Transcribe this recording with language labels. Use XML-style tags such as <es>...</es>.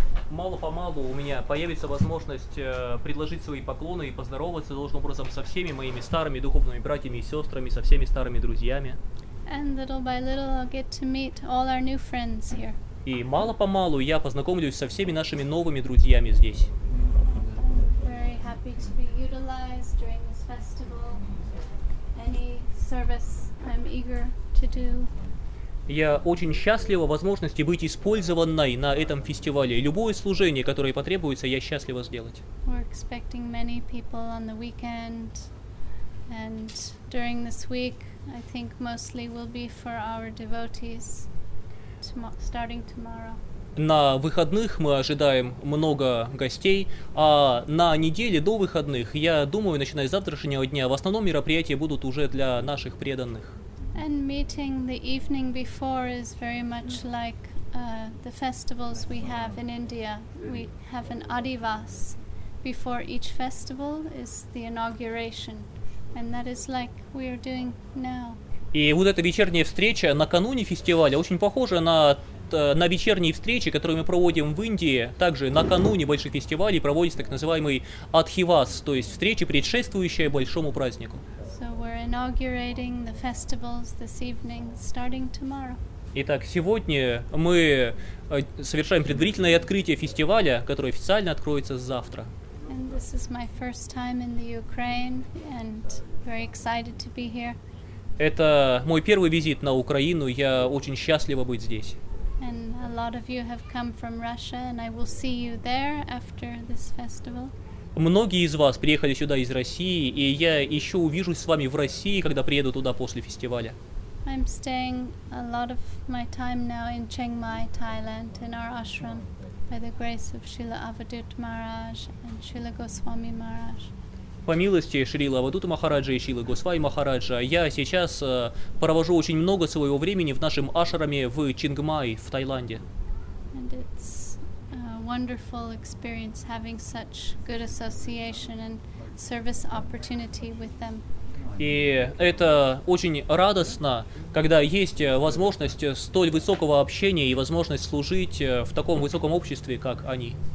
<ru>Мало-помалу у меня появится возможность предложить свои поклоны и поздороваться должным образом со всеми моими старыми духовными братьями и сестрами, со всеми старыми друзьями.</ru> <en>And little by little I'll get to meet all our new friends here.</en> <ru>И мало-помалу я познакомлюсь со всеми нашими новыми друзьями здесь.</ru> <en>Very happy to be utilized during this festival. Any service I'm eager to do.</en> <ru>Я очень счастлива возможности быть использованной на этом фестивале. Любое служение, которое потребуется, я счастлива сделать.</ru> <en>We're expecting many people on the weekend, and during this week, I think mostly will be for our devotees, starting tomorrow.</en> <ru>На выходных мы ожидаем много гостей, а на неделе до выходных, я думаю, начиная с завтрашнего дня, в основном мероприятия будут уже для наших преданных.</ru> <en>And meeting the evening before is very much like the festivals we have in India. We have an Adivas. Before each festival is the inauguration. And that is like we are doing now.</en> <ru>И вот эта вечерняя встреча накануне фестиваля очень похожа на вечерние встречи, которые мы проводим в Индии. Также накануне больших фестивалей проводится так называемый Адхивас, то есть встреча, предшествующая большому празднику.</ru> <en>Inaugurating the festivals this evening, starting tomorrow.</en> <ru>Итак, сегодня мы совершаем предварительное открытие фестиваля, который официально откроется завтра.</ru> <en>And this is my first time in the Ukraine, and very excited to be here.</en> <ru>Это мой первый визит на Украину. Я очень счастлива быть здесь.</ru> <en>And a lot of you have come from Russia, and I will see you there after this festival.</en> <ru>Многие из вас приехали сюда из России, и я еще увижусь с вами в России, когда приеду туда после фестиваля.</ru> <en>I'm staying a lot of my time now in Chiang Mai, Thailand, in our ashram, by the grace of Srila Avadhut Maharaj and Srila Goswami Maharaj.</en> <ru>По милости Шрилы Авадута Махараджа и Шрилы Госвами Махараджа, я сейчас провожу очень много своего времени в нашем ашраме в Чинг Май, в Таиланде.</ru> <en>And it's wonderful experience having such good association and service opportunity with them.</en> <ru>И это очень радостно, когда есть возможность столь высокого общения и возможность служить в таком высоком обществе, как они.</ru>